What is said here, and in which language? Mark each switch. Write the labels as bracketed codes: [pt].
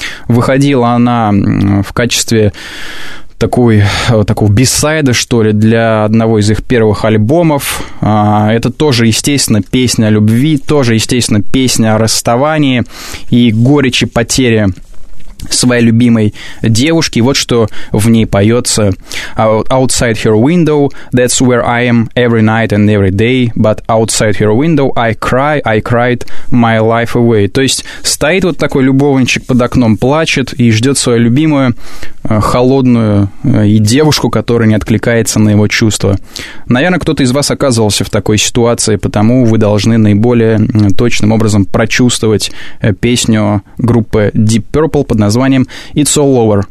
[ru] Выходила она в качестве такого бисайда, что ли, для одного из их первых альбомов. Это тоже, естественно, песня о любви, тоже, естественно, песня о расставании и горечи потери своей любимой девушки. Вот что в ней поется: [en] Outside her window, that's where I am every night and every day, but outside her window I cry, I cried my life away. [ru] То есть стоит вот такой любовничек под окном, плачет и ждет свою любимую холодную и девушку, которая не откликается на его чувства. Наверное, кто-то из вас оказывался в такой ситуации, потому вы должны наиболее точным образом прочувствовать песню группы Deep Purple под названием It's All Over.